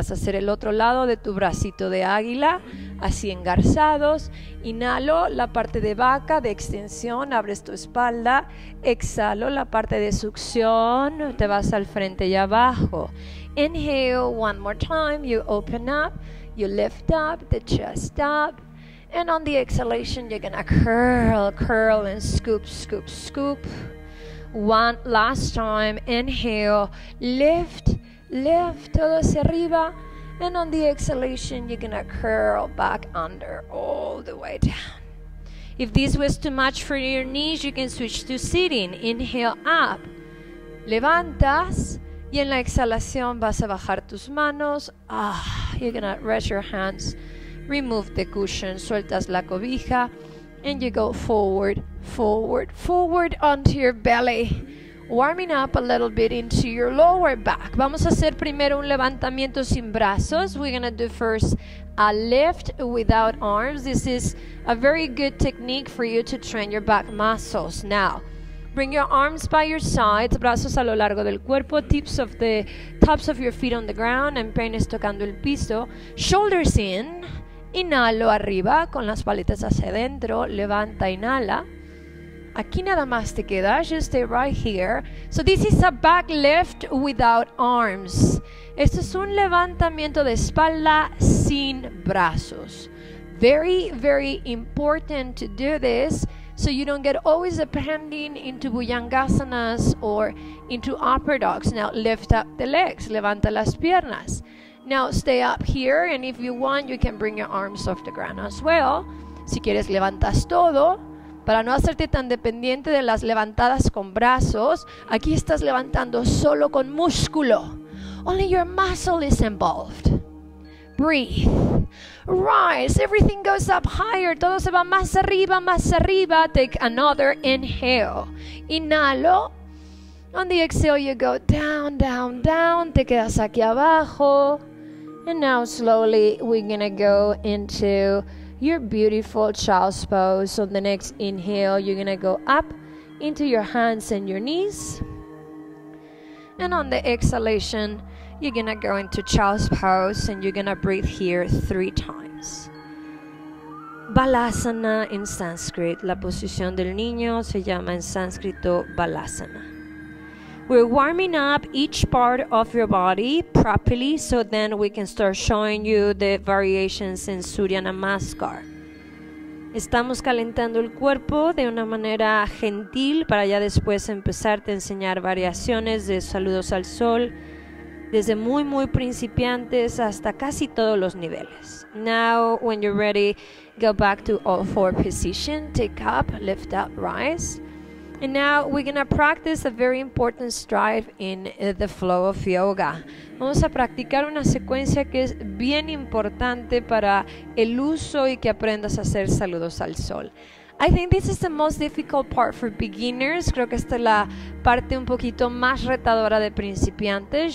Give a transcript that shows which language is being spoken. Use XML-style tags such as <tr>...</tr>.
<es>Vas a hacer el otro lado de tu bracito de águila, así engarzados. Inhalo, la parte de vaca, de extensión, abres tu espalda. Exhalo, la parte de succión, te vas al frente y abajo.</es> <en>Inhale, one more time, you open up, you lift up, the chest up. And on the exhalation, you're gonna curl, curl, and scoop, scoop, scoop. One last time, inhale, lift, lift,</en> <es>todo hacia arriba.</es> <en>And on the exhalation, you're gonna curl back under all the way down. If this was too much for your knees, you can switch to sitting. Inhale up,</en> <es>levantas, y en la exhalación vas a bajar tus manos.</es> <en>Ah, you're gonna rest your hands, remove the cushion,</en> <es>sueltas la cobija,</es> <en>and you go forward, forward, forward onto your belly. Warming up a little bit into your lower back.</en> <es>Vamos a hacer primero un levantamiento sin brazos.</es> <en>We're going to do first a lift without arms. This is a very good technique for you to train your back muscles. Now, bring your arms by your sides,</en> <es>brazos a lo largo del cuerpo,</es> <en>tops of your feet on the ground, and</en> <es>empeines tocando el piso.</es> <en>Shoulders in,</en> <es>inhalo arriba, con las paletas hacia adentro, levanta, inhala. Aquí nada más te queda,</es> <en>just stay right here. So this is a back lift without arms.</en> <es>Esto es un levantamiento de espalda sin brazos.</es> <en>Very, very important to do this So you don't get always depending into bhujangasanas or into upper dogs. Now lift up the legs,</en> <es>levanta las piernas.</es> <en>Now stay up here, and if you want, you can bring your arms off the ground as well.</en> <es>Si quieres, levantas todo. Para no hacerte tan dependiente de las levantadas con brazos, aquí estás levantando solo con músculo.</es> <en>Only your muscle is involved. Breathe. Rise. Everything goes up higher.</en> <es>Todo se va más arriba, más arriba.</es> <en>Take another inhale.</en> <es>Inhalo.</es> <en>On the exhale, you go down, down, down.</en> <es>Te quedas aquí abajo.</es> <en>And now slowly we're going to go into your beautiful child's pose. On the next inhale, you're going to go up into your hands and your knees. And on the exhalation, you're going to go into child's pose and you're going to breathe here 3 times. Balasana in Sanskrit.</en> <es>La posición del niño se llama en sánscrito balasana.</es> <en>We're warming up each part of your body properly, so then we can start showing you the variations in Surya Namaskar.</en> <es>Estamos calentando el cuerpo de una manera gentil para ya después empezarte a enseñar variaciones de saludos al sol, desde muy muy principiantes hasta casi todos los niveles.</es> <en>Now, when you're ready, go back to all four position. Take up, lift up, rise. And now we're going to practice a very important stride in the flow of yoga.</en> <es>Vamos a practicar una secuencia que es bien importante para el uso y que aprendas a hacer saludos al sol.</es> <en>I think this is the most difficult part for beginners.</en> <es>Creo que esta es la parte un poquito más retadora de principiantes.</es>